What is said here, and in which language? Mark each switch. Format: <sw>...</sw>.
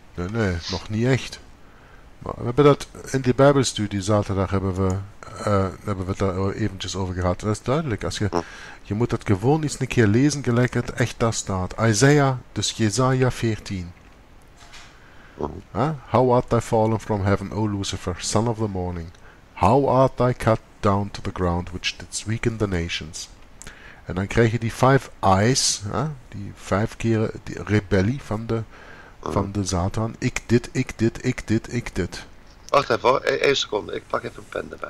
<nl>Nee, nog niet echt. Maar we hebben dat in die Bijbelstudie zaterdag hebben we daar eventjes over gehad. Dat is duidelijk. Als je moet dat gewoon eens een keer lezen, gelijk het echt daar staat. Isaiah, dus Jesaja 14.</nl> <en>How art thou fallen from heaven, O Lucifer, son of the morning? How art thou cut down to the ground, which didst weaken the nations?</en> <nl>En dan krijg je die vijf eyes, die vijf keren die rebellie van de Satan. Ik dit, ik dit, ik dit, ik dit. Wacht even, hoor. Eén seconde, ik pak even een pen erbij.</nl>